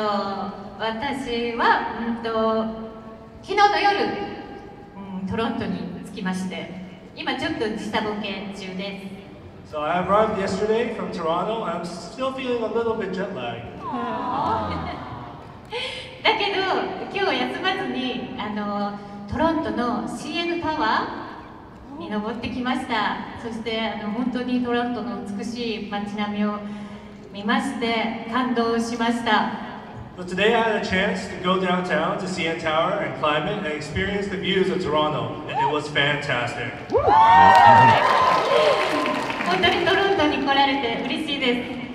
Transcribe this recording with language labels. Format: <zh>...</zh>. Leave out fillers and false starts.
<ja>私は、昨日の夜、トロントに着きまして、今ちょっと下ボケ中です。</ja> <en>So I arrived yesterday from Toronto. I'm still feeling a little bit jet lagged.</en> <ja>だけど、今日休まずに、トロントの CN タワーに登ってきました。そして本当にトロントの美しい街並みを見まして感動しました。</ja> <en>So today I had a chance to go downtown to CN Tower and climb it and experience the views of Toronto and it was fantastic.</en> <ja>本当にトロントに来られて嬉しいです。</ja>